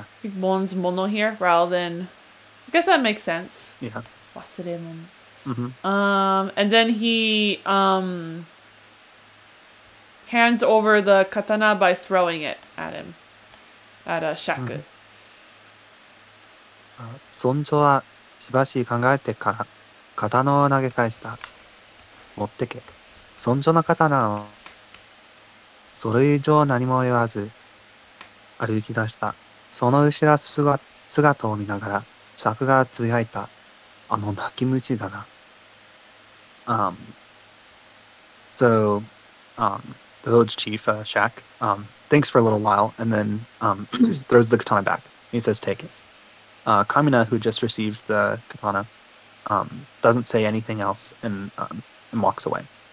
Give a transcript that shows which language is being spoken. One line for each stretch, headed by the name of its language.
English: I think mon's mono here rather than, I guess that makes sense. Yeah.
Japanese: Wasuremon.
English: Mm-hmm. And then he hands over the katana by throwing it at him. At a shaku.
Japanese: 村長はしばし考えてから刀を投げ返した。持ってけ。村長の刀をそれ以上何も言わず歩き出した。その後ろ姿を見ながらシャクがつぶやいた。あの泣き虫だな。
English: The village chief, Shaq, thinks for a little while and then throws the katana back. He says, take it. Kamina, who just received the katana, doesn't say anything else and walks away.